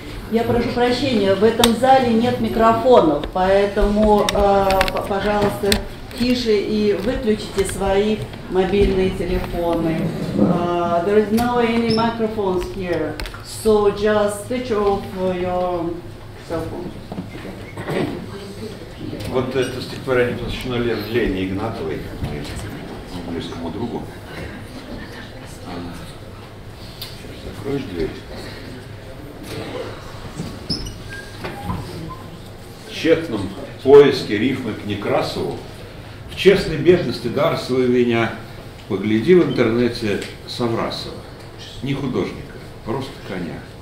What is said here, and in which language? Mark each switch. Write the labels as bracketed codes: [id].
[ru] Я прошу прощения, в этом зале нет микрофонов, поэтому, пожалуйста, тише и выключите свои мобильные телефоны. [en] There is no any microphones here, so just switch off your cell phone. [ru] Вот это стихотворение посвящено Лене Игнатовой, близкому другу. Закроешь дверь? В тщетном поиске рифмы к Некрасову, в честной бедности дар свой меня, погляди в интернете Саврасова, не художника, просто коня.